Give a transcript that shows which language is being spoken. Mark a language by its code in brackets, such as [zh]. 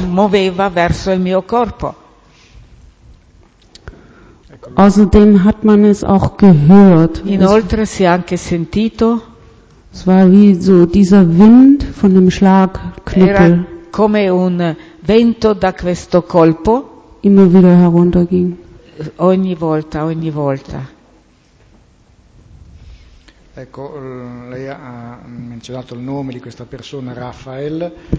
[it] Muoveva verso il mio corpo. [de] Außerdem hat man es auch gehört. [it] Inoltre si è anche sentito. [de] Es war wie so dieser Wind von dem Schlagknüppel. [it] Era come un vento da questo colpo. [de] Immer wieder herunterging. [it] Ogni volta, ogni volta. Ecco, lei ha menzionato il nome di questa persona, Raphael.